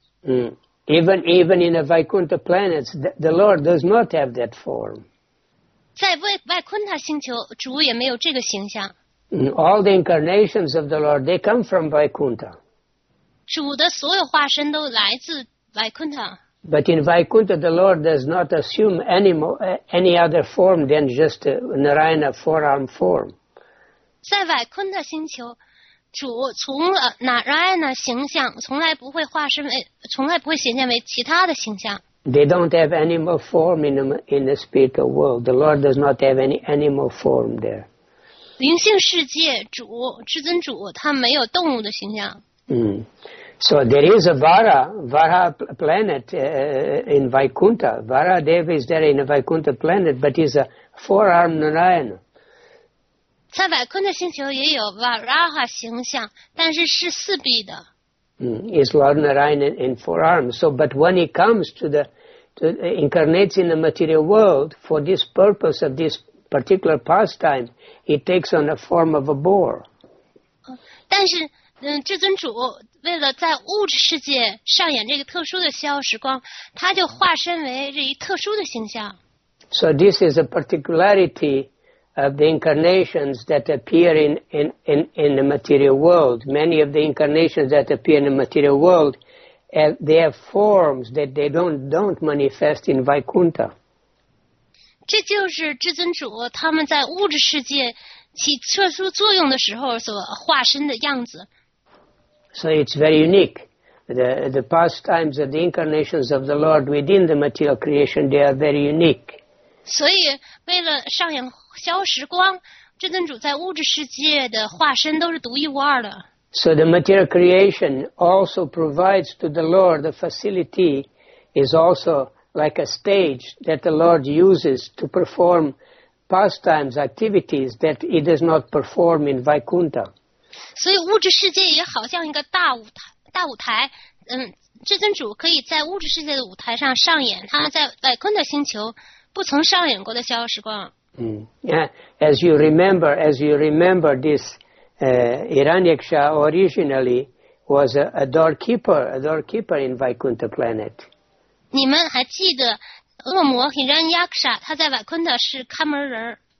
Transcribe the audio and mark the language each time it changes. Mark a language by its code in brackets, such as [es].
[en] Even in the Vaikuntha planets, the Lord does not have that form. [zh] 在外昆塔星球，主也没有这个形象。 [en] All the incarnations of the Lord, they come from Vaikuntha. [zh] 主的所有化身都来自 Vaikuntha. [en] But in Vaikuntha, the Lord does not assume any other form than just Narayana four-arm form. [zh] 在 Vaikuntha 星球，主从Narayana 形象从来不会化身为，从来不会显现为其他的形象。 [en] They don't have animal form in the spiritual world. The Lord does not have any animal form there. [zh] 灵性世界，主至尊主，他没有动物的形象。 [en] So there is a Vara planet in Vaikuntha. Vara Deva is there in a Vaikuntha planet, but he's a four-armed Narayana. [zh] 在 Vaikuntha 星球也有 Varaha 形象，但是是四臂的。 [en] Is Lord Narayana in four arms? So, but when he comes to incarnates in the material world for this purpose of this particular pastime, he takes on the form of a boar. [zh] 但是至尊主为了在物质世界上演这个特殊的逍遥时光，他就化身为这一特殊的形象。 [en] So this is a particularity of the incarnations that appear in the material world. Many of the incarnations that appear in the material world, they have forms that they don't manifest in Vaikuntha. [zh] 这就是至尊主他们在物质世界起特殊作用的时候所化身的样子。 [en] So it's very unique. The pastimes of the incarnations of the Lord within the material creation, they are very unique. [zh] 所以为了上演逍遥时光，至尊主在物质世界的化身都是独一无二的。 [en] So the material creation also provides to the Lord the facility is also like a stage that the Lord uses to perform pastimes, activities that he does not perform in Vaikuntha. [zh] 所以物质世界也好像一个大舞台，至尊主可以在物质世界的舞台上上演他在Vaikuntha星球不曾上演过的逍遥时光。 [en] As you remember, this Hiranyaksha originally was a doorkeeper in Vaikuntha planet. [zh] 你们还记得恶魔 Hiranyaksha 他在 Vaikuntha 是看门人。